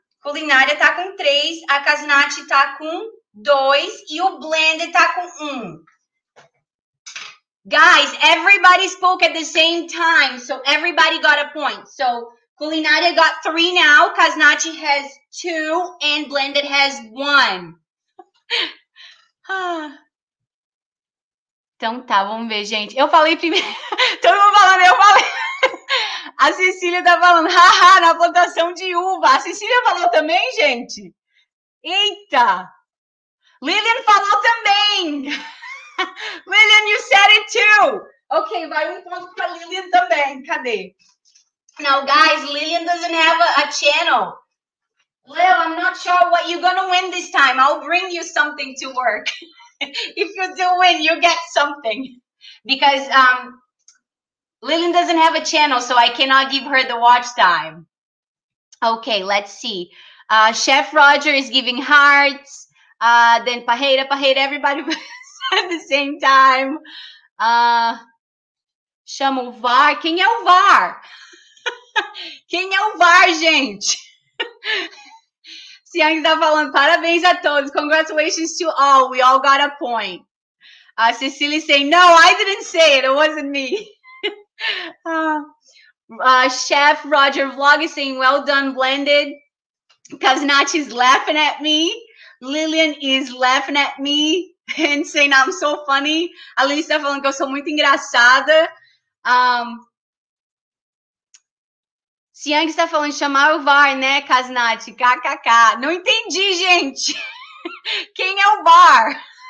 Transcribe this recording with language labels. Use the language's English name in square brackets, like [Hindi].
[Portuguese] Culinária tá com 3, a Kasnath tá com 2 e o Blended tá com 1. [English] Guys, everybody spoke at the same time, so everybody got a point. So, Culinária got 3 now, Kasnath has 2, and Blended has 1. [Portuguese] Então tá, vamos ver, gente. Eu falei primeiro. Todo mundo falando, eu falei. A Cecília tá falando, haha, na plantação de uva. A Cecília falou também, gente. Eita! Lillian falou também! [English] Lillian, you said it too! [Portuguese] Ok, vai um ponto pra Lillian também. Cadê? [English] Now, guys, Lillian doesn't have a channel. Lil, I'm not sure what you're gonna win this time. I'll bring you something to work. If you do win, you get something. Because Lillian doesn't have a channel, so I cannot give her the watch time. Okay, let's see. Chef Roger is giving hearts. Then Parreira, Parreira, everybody at the same time. [Portuguese] Chama o VAR. Quem é o VAR? Quem é o VAR, gente? Siang está falando, parabéns a todos. [English] Congratulations to all. We all got a point. A Cecily saying, no, I didn't say it. It wasn't me. Chef Roger Vlog is saying, well done, Blended. Kaznachi's laughing at me. Lillian is laughing at me and saying, I'm so funny. [Portuguese] Alice está falando que eu sou muito engraçada. Siang está falando chamar o VAR, né, Kasnati? KKK. Não entendi, gente. Quem é o VAR?